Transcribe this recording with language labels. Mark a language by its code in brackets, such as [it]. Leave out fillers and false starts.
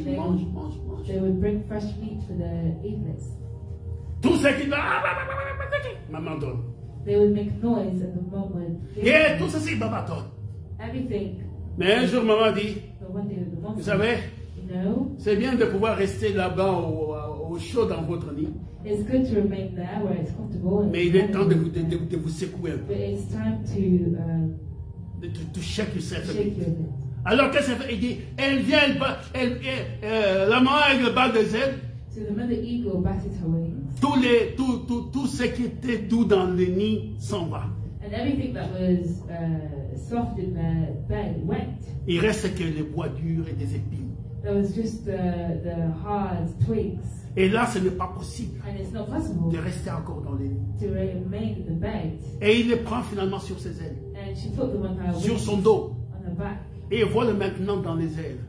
[fr] Ils mangent. Tout ce qu'ils veulent. Maman donne. Et tout ceci, maman donne. Mais un jour, maman dit, vous savez, c'est bien de pouvoir rester là-bas au chaud dans votre lit. [en] It's good to remain there where it's comfortable. [fr] Mais il est temps de vous secouer un peu. [en] But it's time to shake yourself. Shake your head. [fr] Alors qu'est-ce qu'elle fait? Il dit, elle vient, la maman aigle bat des ailes. [en] So the mother eagle batted her wings. [fr] Tout ce qui était doux dans le nid s'en va. [en] And everything that was soft in the bed went. [fr] Il reste que les bois durs et des épines. [en] There was just the hard twigs. [fr] Et là, ce n'est pas possible. [en] And it's not possible [fr] de rester encore dans les nids. [en] To remain in the bed. [fr] Et il les prend finalement sur ses ailes. [en] And she put them on her [fr] sur [en] wings, [fr] son dos. [en] On her back. [fr] Et vole maintenant dans les airs.